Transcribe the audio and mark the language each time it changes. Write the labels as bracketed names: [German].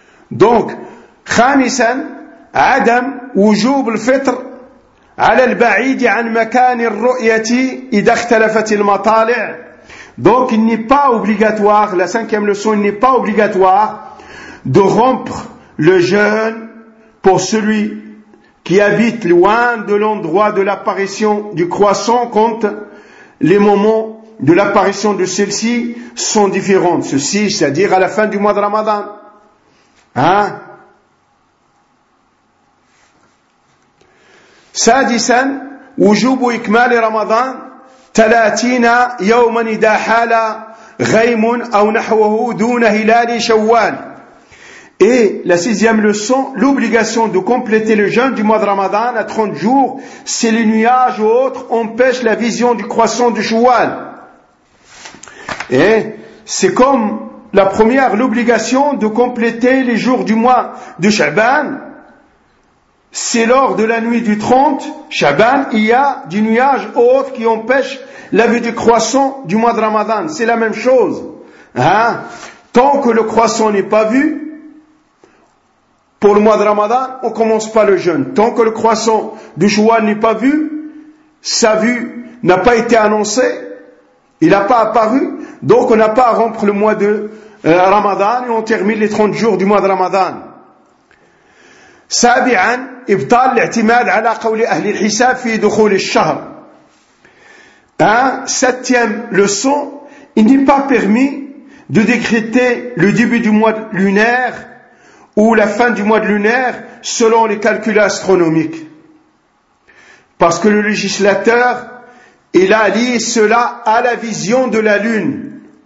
[Arabic] دونك خامسا عدم وجوب الفطر على البعيد عن مكان الرؤية إذا اختلفت المطالع. [French] Donc il n'est pas obligatoire, la cinquième leçon, il n'est pas obligatoire de rompre le jeûne pour celui qui habite loin de l'endroit de l'apparition du croissant quand les moments de l'apparition de celle-ci sont différents. Ceci, c'est-à-dire à la fin du mois de Ramadan. Hein? [Arabic] Sadisan, wujubu ikmali Ramadan, 30 يوما إذا حال غيم أو نحوه دون هلال شوال. [French] Et la sixième leçon, l'obligation de compléter le jeûne du mois de Ramadan à 30 jours si les nuages ou autres empêchent la vision du croissant du Choual. Et c'est comme la première, l'obligation de compléter les jours du mois de Shaban. C'est lors de la nuit du 30, Shaban, il y a du nuage ou autre qui empêche la vue du croissant du mois de Ramadan. C'est la même chose. Hein? Tant que le croissant n'est pas vu, pour le mois de Ramadan, on commence pas le jeûne. Tant que le croissant du Choual n'est pas vu, sa vue n'a pas été annoncée, il n'a pas apparu, donc on n'a pas à rompre le mois de Ramadan et on termine les 30 jours du mois de Ramadan. [Arabic] سابعا ابطال الاعتماد على قول اهل الحساب في دخول الشهر. [French] Septième leçon, il n'est pas permis de décréter le début du mois lunaire ou la fin du mois lunaire selon les calculs astronomiques. Parce que le législateur, il a lié cela à la vision de la lune.